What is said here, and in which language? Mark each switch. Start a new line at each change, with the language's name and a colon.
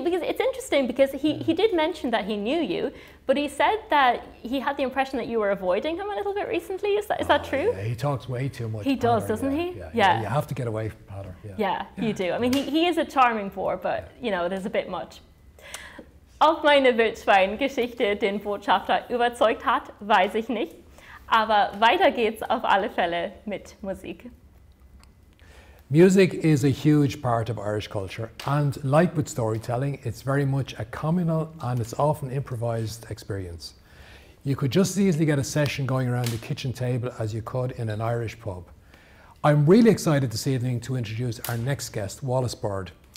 English: Because it's interesting, because he did mention that he knew you, but he said that he had the impression that you were avoiding him a little bit recently. Is that true? Yeah, he talks way too much. He does, doesn't he? Yeah. You have to get away from Padder. Yeah, you do. I mean, he is a charming boar, but, you know, there's a bit much.
German: Auf meine Wildschwein-Geschichte, den Botschafter überzeugt hat, weiß ich nicht. Aber weiter geht's auf alle Fälle mit Musik.
English: Music is a huge part of Irish culture, and like with storytelling, it's very much a communal and it's often improvised experience. You could just as easily get a session going around the kitchen table as you could in an Irish pub. I'm really excited this evening to introduce our next guest, Wallis Bird.